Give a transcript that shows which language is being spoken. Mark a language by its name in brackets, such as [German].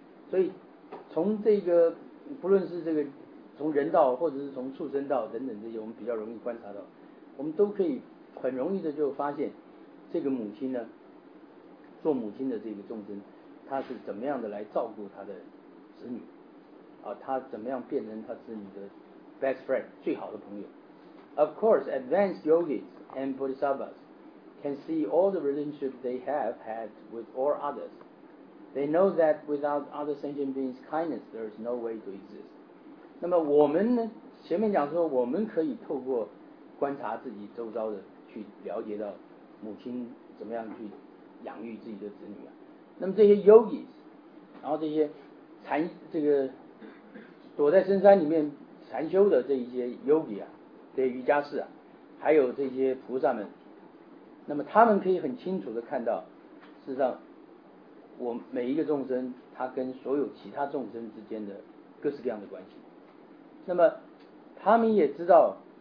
[Chinese] 所以从这个，不论是这个从人道或者是从畜生道等等这些，我们比较容易观察到，我们都可以很容易的就发现这个母亲呢，做母亲的这个众生，他是怎么样的来照顾他的子女啊，他怎么样变成他子女的 [English] best friend， [Chinese] 最好的朋友。 [English] Of course advanced yogis and bodhisattvas can see all the relationship they have had with all othersThey know that without other sentient beings' kindness, there is no way to exist. [Chinese] 那么我们呢，前面讲说我们可以透过观察自己周遭的去了解到母亲怎么样去养育自己的子女、啊、那么这些 yogis， 然后这些禅，这个躲在深山里面禅修的这一些 yogi 啊，这些瑜伽士啊，还有这些菩萨们，那么他们可以很清楚的看到，事实上我每一个众生他跟所有其他众生之间的各式各样的关系，那么他们也知道